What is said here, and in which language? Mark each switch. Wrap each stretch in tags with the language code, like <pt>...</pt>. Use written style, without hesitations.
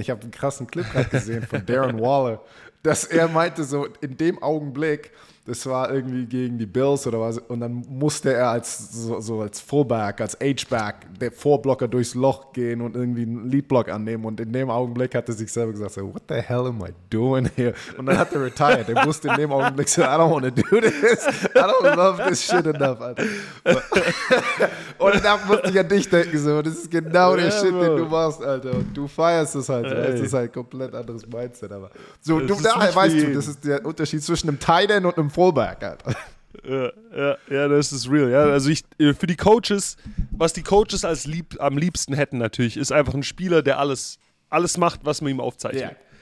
<de>Ich habe einen krassen Clip gerade gesehen von Darren Waller, dass er meinte so, in dem Augenblick, das war irgendwie gegen die Bills oder was, und dann musste er als Fullback, als H-Back, der Vorblocker durchs Loch gehen und irgendwie einen Leadblock annehmen. Und in dem Augenblick hat er sich selber gesagt, so,</de> <en>what the hell am I doing here?</en> <de>Und dann hat er retired. Er wusste in dem Augenblick so,</de> <en>I don't want to do this. I don't love this shit enough, Alter.</en> <de>Und dann musste ich an dich denken, so, das ist genau der Shit, den du machst, Alter. Und du feierst es halt. Es ist halt ein komplett anderes Mindset. Aber so, du, da weißt du, das ist der Unterschied zwischen einem Tight End und im Fullback, Alter. Ja, das ist real. Ja, also ich, für die Coaches, was die Coaches am liebsten hätten natürlich, ist einfach ein Spieler, der alles macht, was man ihm aufzeichnet. Yeah.</de>